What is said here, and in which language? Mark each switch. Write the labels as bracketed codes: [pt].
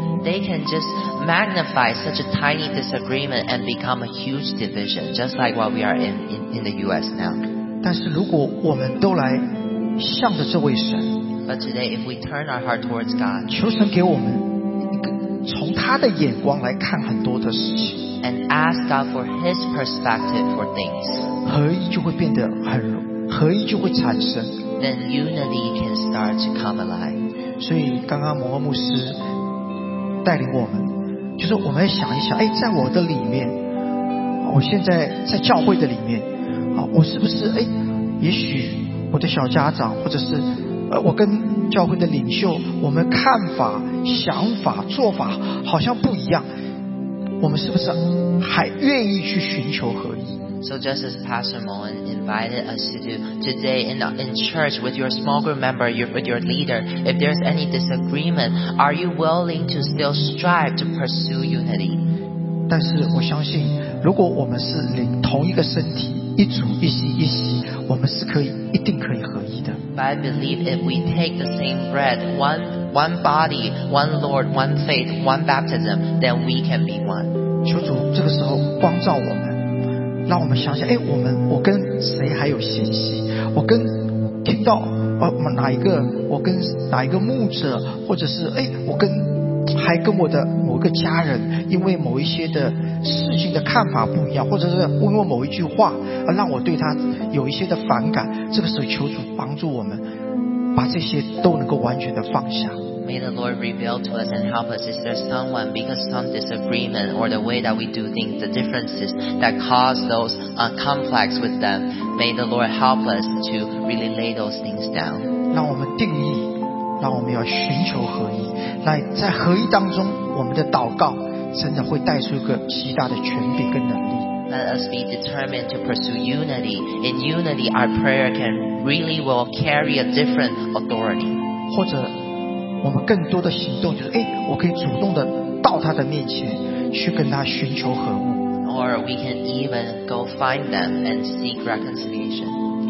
[en] They can just magnify such a tiny disagreement and become a huge division, just like what we are in the U.S. now. [zh] 但是如果我们都来向着这位神， [en] But today, if we turn our heart towards God, [zh] 求神给我们一个从他的眼光来看很多的事情， [en] and ask God for His perspective for things, [zh] 合一就会变得很容易，合一就会产生， [en] then unity can start to come alive. [zh] 所以刚刚摩诃牧师带领我们，就是我们要想一想，哎，在我的里面，我现在在教会的里面，我是不是哎，也许我的小家长，或者是我跟教会的领袖，我们看法、想法、做法好像不一样，我们是不是还愿意去寻求合一？ [en] So just as Pastor Moen invited us to do today in church with your small group member, with your leader, if there's any disagreement, are you willing to still strive to pursue unity? [zh] 但是我相信，如果我们是灵同一个身体，一组一心一息，我们是可以一定可以合一的。 [en] But I believe if we take the same breath, one body, one Lord, one faith, one baptism, then we can be one. [zh] 求主这个时候光照我们。让我们想想，哎，我跟谁还有嫌隙？我跟听到哪一个？我跟哪一个牧者？或者是哎，我跟还跟我的某一个家人，因为某一些的事情的看法不一样，或者是因为某一句话，让我对他有一些的反感。这个时候，求主帮助我们，把这些都能够完全的放下。 [en] May the Lord reveal to us and help us. Is there someone because some disagreement or the way that we do things, the differences that cause those conflicts with them? May the Lord help us to really lay those things down. [zh] 让我们定义，让我们要寻求合一。来，在合一当中，我们的祷告真的会带出一个极大的权柄跟能力。 [en] Let us be determined to pursue unity. In unity, our prayer can really will carry a different authority. [zh] 或者我们更多的行动就是，哎，我可以主动的到他的面前去跟他寻求和睦。 [en] Or we can even go find them and seek reconciliation.